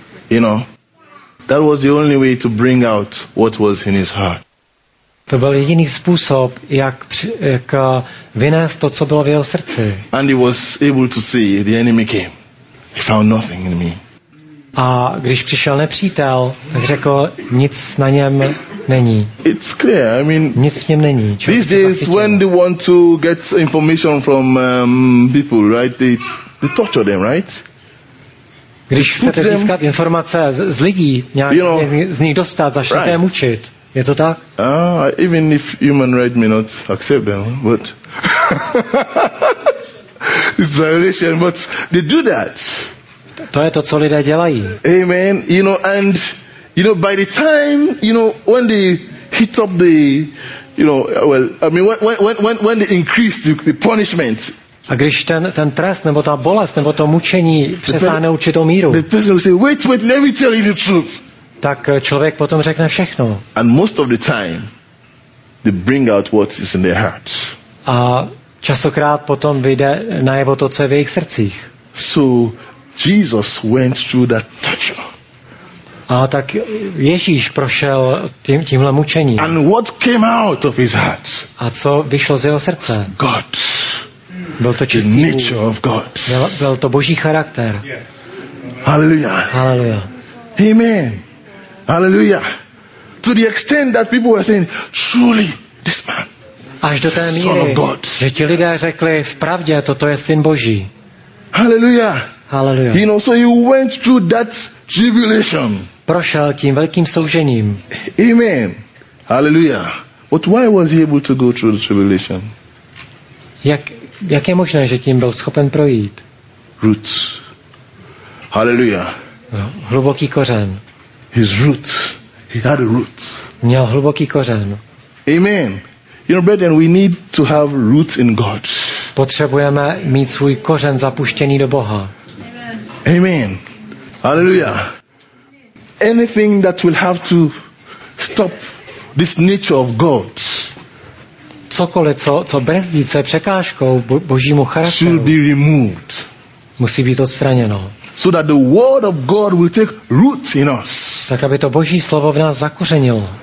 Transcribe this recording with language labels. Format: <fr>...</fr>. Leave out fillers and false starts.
<en>You know, that was the only way to bring out what was in his heart.</en> <cs>To byl jediný způsob, jak vynést to, co bylo v jeho srdci.</cs> <en>And he was able to see the enemy came. He found nothing in me.</en> <cs>A když přišel nepřítel, tak řekl, nic na něm není.</cs> <en>It's clear. I mean,</en> <cs>nic v něm není.</cs> <en>This is when they want to get information from people, right? They torture them, right?</en> <cs>Když chcete získat informace z lidí, nějak, you know, z nich dostat, začnete right. Je mučit. Je to tak?</cs> <en>Even if human rights may not accept them, but it's a relation, but they do that.</en> <cs>To je to, co lidé dělají. Amen.</cs> <en>You know, and you know, by the time, you know, when they hit up the, you know, well, I mean, when they increase the punishment.</en> <cs>A když ten trest nebo ta bolest nebo to mučení přesáhne určitou míru.</cs> <en>The person will say, wait, let me tell you the truth.</en> <cs>tak člověk potom řekne všechno.</cs> <en>And most of the time they bring out what is in their hearts.</en> <cs>A častokrát potom vyjde najevo to, co je v jejich srdcích.</cs> <en>So Jesus went through that torture.</en> <cs>A tak Ježíš prošel tímhle mučením.</cs> <en>And what came out of his heart?</en> <cs>A co vyšlo z jeho srdce?</cs> <en>God.</en> <cs>Byl to čistý</cs> <en>Bůh. The nature of God.</en> <cs>Byl to Boží charakter. Hallelujah. Hallelujah. Amen. Hallelujah.</cs> <en>To the extent that people were saying, truly, this man.</en> <cs>Až do té míry, že ti lidé řekli, vpravdě, toto je syn Boží. Hallelujah. Hallelujah.</cs> <en>You know, so he went through that tribulation.</en> <cs>Prošel tím velkým soužením. Amen. Hallelujah.</cs> <en>But why was he able to go through the tribulation?</en> <cs>Jak je možné, že tím byl schopen projít?</cs> <en>Roots. Hallelujah.</en> <cs>Hluboký kořen.</cs> <en>His roots. He had a root.</en> <cs>Měl hluboký kořen. Amen.</cs> <en>You know, brethren, we need to have roots in God.</en> <cs>Potřebujeme mít svůj kořen zapuštěný do Boha. Amen. Hallelujah.</cs> <en>Anything that will have to stop this nature of God.</en> <cs>Cokoliv, co brzdí, co je překážkou Božímu charakteru.</cs> <en>Should be removed.</en> <cs>Musí být odstraněno.</cs> <en>So that the word of God will take root in us.</en> <cs>Tak aby to Boží slovo v nás zakořenilo.</cs>